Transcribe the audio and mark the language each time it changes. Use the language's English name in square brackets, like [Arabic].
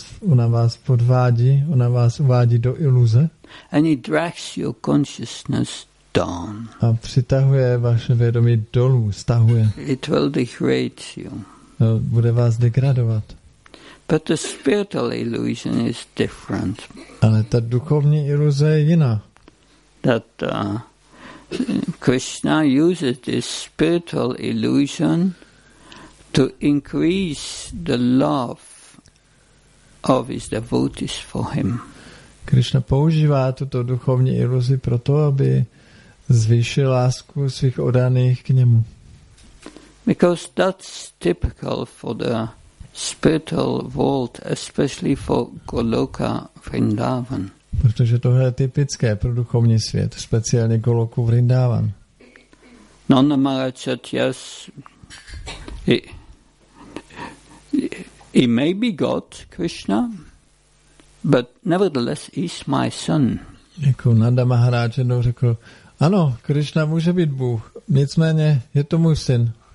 [Czech] Ona vás podvádí, ona vás uvádí do iluze. [English] And it drags your consciousness down. [Czech] A přitahuje vaše vědomí dolů, stahuje. [English] It will degrade you. [Czech] Bude vás degradovat. [English] But the spiritual illusion is different. [Czech] Ale ta duchovní iluze je jiná. [English] That Krishna uses this spiritual illusion to increase the love of his devotees for him. [Czech] Krishna používá tuto duchovní iluzi proto, aby zvýšil lásku svých oddaných k němu. [English] Because that's typical for the spiritual world, especially for Goloka Vrindavan. [Czech] Protože tohle je typické pro duchovní svět, speciálně Goloku Vrindavan. [English] Nanda Maharaj said, yes, he may be God, Krishna, but nevertheless he's my son. [Czech] Jako Nanda Maharaj jednou řekl, ano, Krishna může být Bůh, nicméně je to můj syn.